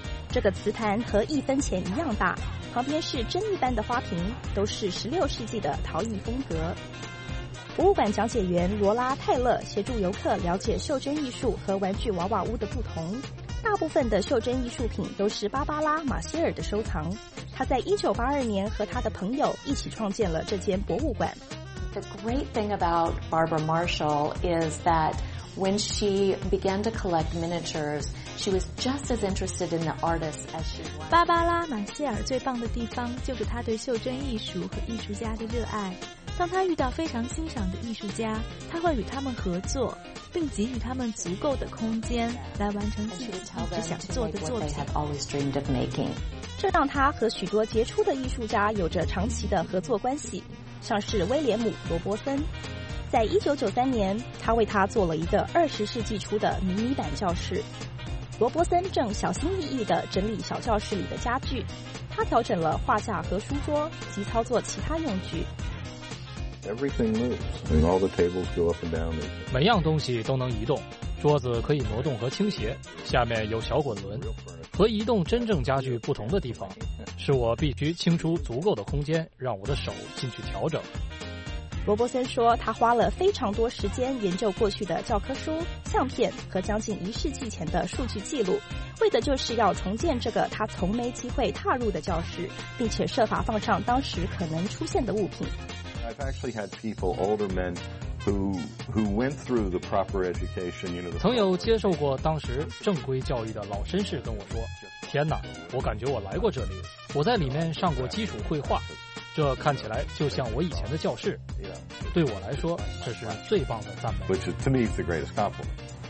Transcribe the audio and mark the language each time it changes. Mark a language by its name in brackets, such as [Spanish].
[Chinese] 这个瓷盘和一分钱一样大，旁边是针一般的花瓶，都是16世纪的陶艺风格。博物馆讲解员罗拉·泰勒协助游客了解袖珍艺术和玩具娃娃屋的不同。大部分的袖珍艺术品都是芭芭拉·马歇尔的收藏，他在1982年和他的朋友一起创建了这间博物馆。 [English] The great thing about Barbara Marshall is that when she began to collect miniatures,She was just as interested in the artist as she was. [Chinese] 芭芭拉·马歇尔最棒的地方就是她对袖珍艺术和艺术家的热爱。当她遇到非常欣赏的艺术家，她会与他们合作，并给予他们足够的空间来完成自己一直想做的作品。 [English] They have always dreamed of making. [Chinese] 这让她和许多杰出的艺术家有着长期的合作关系，像是威廉姆·罗伯森。在1993年，他为他做了一个20世纪初的迷你版教室。罗伯森正小心翼翼地整理小教室里的家具，他调整了画架和书桌及操作其他用具。 [English] Everything moves, and all the tables go up and down. [Chinese] 每样东西都能移动，桌子可以挪动和倾斜，下面有小滚轮。和移动真正家具不同的地方，是我必须清出足够的空间，让我的手进去调整。罗伯森说，他花了非常多时间研究过去的教科书、相片和将近1世纪前的数据记录，为的就是要重建这个他从没机会踏入的教室，并且设法放上当时可能出现的物品。 [English] I've actually had people, older men, who went through the proper education. You know, [Chinese] 曾有接受过当时正规教育的老绅士跟我说：“天哪，我感觉我来过这里，我在里面上过基础绘画。” 这看起来就像我以前的教室，对我来说这是最棒的赞美。 [English] Which is, to me, the greatest compliment.